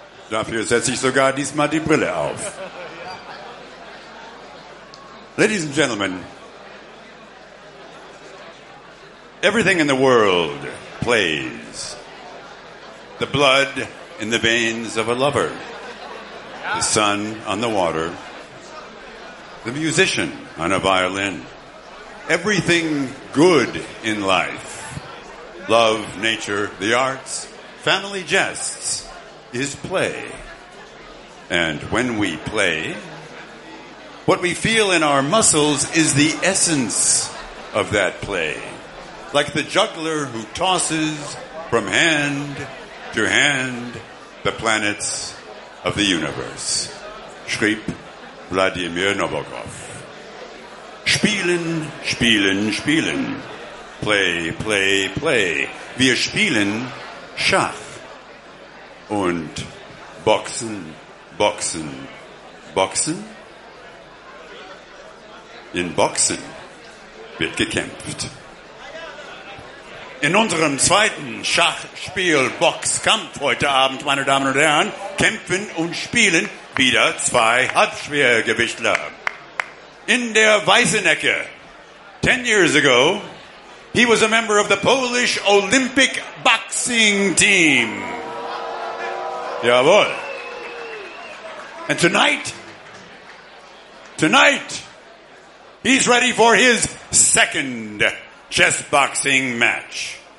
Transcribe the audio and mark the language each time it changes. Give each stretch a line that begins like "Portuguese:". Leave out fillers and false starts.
German: Dafür setze ich sogar diesmal die Brille auf.
English: Ladies and gentlemen, everything in the world plays. The blood in the veins of a lover. The sun on the water. The musician on a violin. Everything good in life. Love, nature, the arts, family jests. Is play. And when we play, what we feel in our muscles is the essence of that play. Like the juggler who tosses from hand to hand the planets of the universe.
German: Schrieb Wladimir Nabokov. Spielen, spielen, spielen.
English: Play, play, play.
German: Wir spielen Schach. Und Boxen, Boxen, Boxen? In Boxen wird gekämpft. In unserem zweiten Schachspiel-Boxkampf heute Abend, meine Damen und Herren, kämpfen und spielen wieder zwei Halbschwergewichtler. In der weißen Ecke,
English: 10 years ago, he was a member of the Polish Olympic Boxing Team.
German: Jawohl.
English: And tonight, he's ready for his second chess boxing match.